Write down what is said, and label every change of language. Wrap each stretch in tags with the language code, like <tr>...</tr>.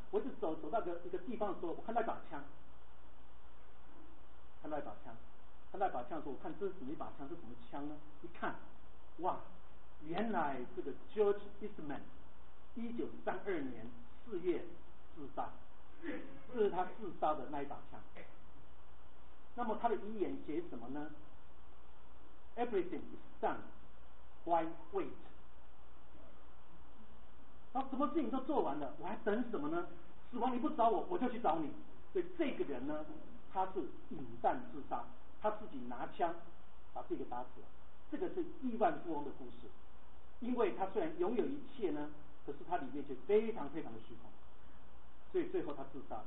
<zh>我一直走到一个地方的时候，我看到一把枪的时候，我看这是什么一把枪，是什么枪呢？一看，哇，原来这个 George Eastman 1932年4月自杀，这是他自杀的那一把枪。那么他的遗言写什么呢？</zh> <en>Everything is done, why wait?</en> <zh>然后什么事情都做完了，我还等什么呢？死亡你不找我，我就去找你。所以这个人呢，他是饮弹自杀，他自己拿枪把自己打死了。这个是亿万富翁的故事，因为他虽然拥有一切呢，可是他里面却非常非常的虚空，所以最后他自杀。</zh>